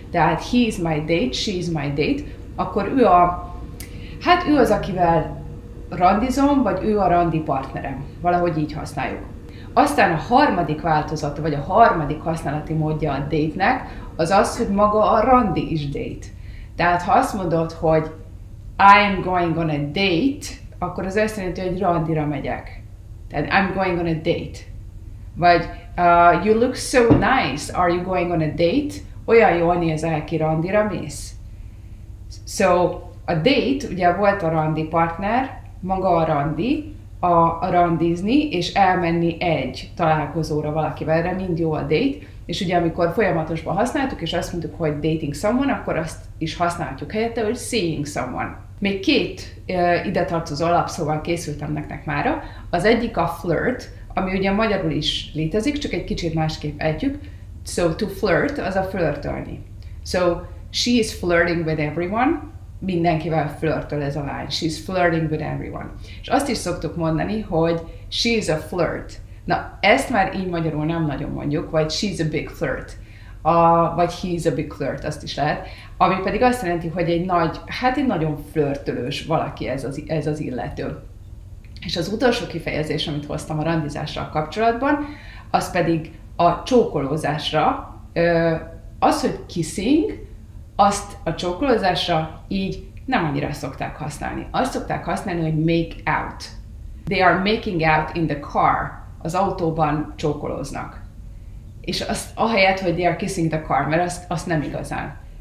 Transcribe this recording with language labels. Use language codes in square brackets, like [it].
[hu] Tehát he is my date, she is my date, akkor ő a, hát ő az, akivel randizom, vagy ő a randi partnerem. Valahogy így használjuk. Aztán a harmadik változata, vagy a harmadik használati módja a date-nek, az az, hogy maga a randi is date. Tehát ha azt mondod, hogy I'm going on a date, akkor az azt jelenti, hogy randira megyek. [en] Tehát I'm going on a date. Vagy you look so nice, are you going on a date? [hu] Olyan jól nézel ki, randira mész. So, a date, ugye volt a randi partner, maga a randi, a randizni, és elmenni egy találkozóra valakivel, erre mind jó a date. És ugye amikor folyamatosban használtuk, és azt mondtuk, hogy dating someone, akkor azt is használhatjuk helyette, hogy seeing someone. Még két ide tartozó alapszóval készültem nektek mára. Az egyik a flirt, ami ugye magyarul is létezik, csak egy kicsit másképp ejtjük. So to flirt, az a flirtölni. [en] So she is flirting with everyone. [hu] Mindenkivel flirtöl ez a lány. [en] She's flirting with everyone. [hu] És azt is szoktuk mondani, hogy she's a flirt. Na, ezt már így magyarul nem nagyon mondjuk, vagy she's a big flirt. Vagy he's a big flirt, azt is lehet. Ami pedig azt jelenti, hogy egy nagy, hát egy nagyon flirtölős valaki ez az illető. És az utolsó kifejezés, amit hoztam a randizással kapcsolatban, az pedig a csókolózásra, az, hogy kissing, azt a csókolózásra így nem annyira szokták használni. Azt szokták használni, hogy make out. [en] They are making out in the car. [hu] Az autóban csókolóznak. És azt ahelyett, hogy they are kissing the car, mert azt nem igazán.